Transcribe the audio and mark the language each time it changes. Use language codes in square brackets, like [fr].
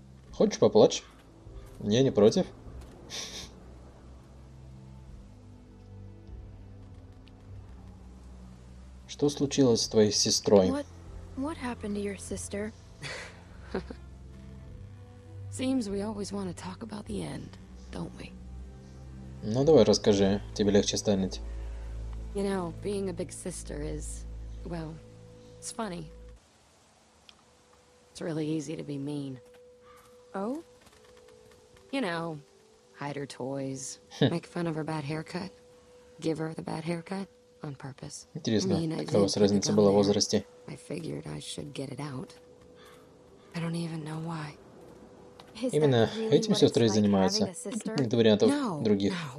[ru] Хочешь поплачь? Я не против. Что случилось с твоей сестрой? [en] What happened to your sister? Seems we always want to talk about the end, don't we? [ru] Ну давай расскажи, тебе легче станет. [en] You know, being a big sister is, well, it's funny. It's really easy to be mean. Oh? You know, hide her toys, make fun of her bad haircut, give her the bad haircut on purpose. [ru] Интересно, какая у вас разница была в возрасте? [en] I figured I should get it out. I don't even know why. [ru] Именно этим сестры и занимаются. Тут нет вариантов других.